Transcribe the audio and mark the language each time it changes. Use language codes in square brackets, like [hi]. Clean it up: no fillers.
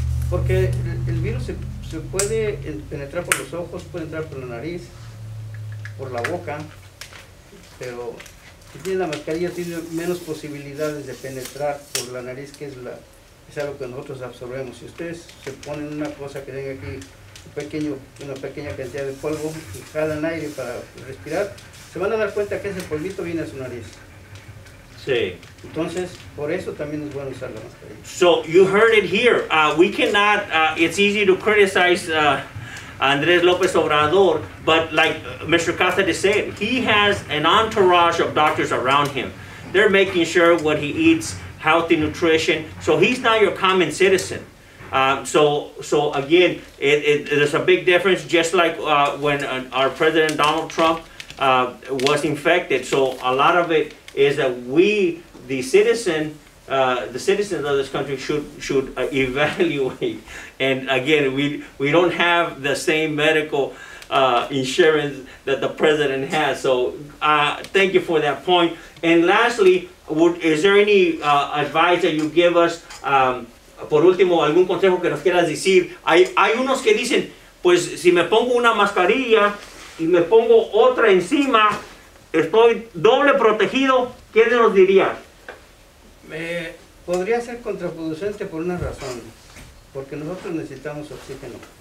[es] Porque el virus se puede penetrar por los ojos, puede entrar por la nariz, por la boca, pero si tiene la mascarilla tiene menos posibilidades de penetrar por la nariz, que es algo que nosotros absorbemos. Si ustedes se ponen una cosa que tenga aquí una pequeña cantidad de polvo y jalan aire para respirar, se van a dar cuenta que ese polvito viene a su nariz. Sí. Entonces, por eso también es bueno usar la mascarilla. [en] So, you heard it here. We cannot, it's easy to criticize Andrés López Obrador, but like Mr. Cáceres said, he has an entourage of doctors around him. They're making sure what he eats, healthy nutrition. So, he's not your common citizen. So again, there's a big difference, just like when our President Donald Trump was infected. So, a lot of it is that we, the citizens of this country should evaluate. And again, we don't have the same medical insurance that the president has. So thank you for that point. And lastly, is there any advice that you give us? [es] Por último, algún consejo que nos quieras decir. Hay unos que dicen, pues si me pongo una mascarilla y me pongo otra encima, estoy doble protegido. ¿Qué nos dirías? Podría ser contraproducente por una razón. Porque nosotros necesitamos oxígeno.